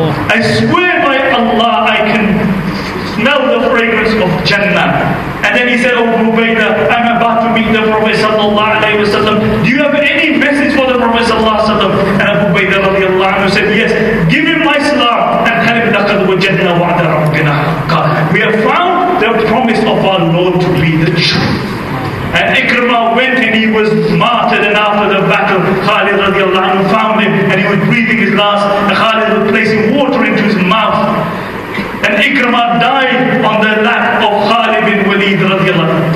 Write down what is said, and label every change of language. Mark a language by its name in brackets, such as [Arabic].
[English] I swear by Allah, I can smell the fragrance of Jannah. And then he said, oh Abu Ubaidah, I'm about to meet the Prophet sallallahu alayhi wa sallam. Do you have any message for the Prophet sallallahu alayhi wa sallam? And Abu Ubaidah radiallahu anhu said, yes, give him my salam. And tell him, [Arabic] لَقَدْ وَجَدْنَا وَعْدَ رَبِّنَا حَقًا. [English] We have found the promise of our Lord to be the truth. And Ikrama went and he was martyred, and after the battle, Khalid radiallahu anhu found him and he was breathing his last, and Khalid was placing water into his mouth. And Ikrama died on the lap of Khalid ibn Walid radiallahu anhu.